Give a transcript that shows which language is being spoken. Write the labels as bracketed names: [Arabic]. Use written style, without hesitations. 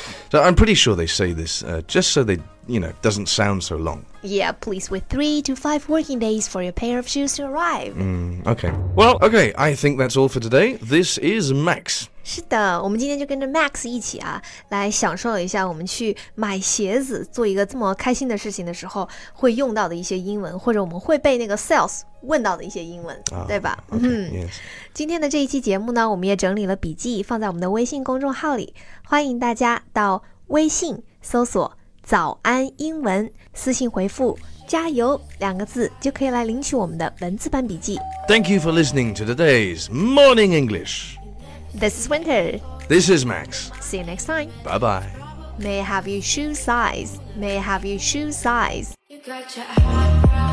[English] So I'm pretty sure they say this、just so they, you know, doesn't sound so long Yeah, please wait 3 to 5 working days for your pair of shoes to arrive、 Okay, well, okay, I think that's all for today This is Max [Chinese] 是的我们今天就跟着 Max 一起啊来享受一下我们去买鞋子做一个这么开心的事情的时候会用到的一些英文或者我们会被那个 sales问到的一些英文、对吧 okay,、今天的这一期节目呢我们也整理了笔记放在我们的微信公众号里欢迎大家到微信搜索早安英文私信回复加油两个字就可以来领取我们的文字版笔记 [English] Thank you for listening to today's Morning English This is Winter This is Max See you next time Bye bye May I have your shoe size May I have your shoe size You got your heart